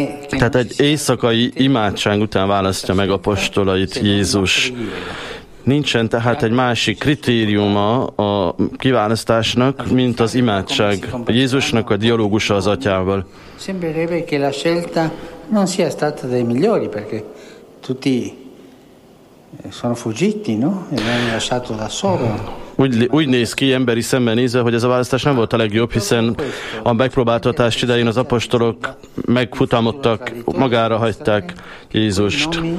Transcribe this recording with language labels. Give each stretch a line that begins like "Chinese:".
Hungarian: Tehát egy éjszakai imádság után választja meg apostolait Jézus. Nincsen tehát egy másik kritériuma a kiválasztásnak, mint az imádság. Jézusnak a dialógusa az atyával.
Italian: Sembrerebbe che la scelta non sia stata dei migliori, perché tutti sono fuggiti, no? E l'hanno lasciato da solo.
Hungarian: Úgy néz ki emberi szemben nézve, hogy ez a választás nem volt a legjobb, hiszen a megpróbáltatás idején az apostolok megfutamodtak, magára hagyták Jézust.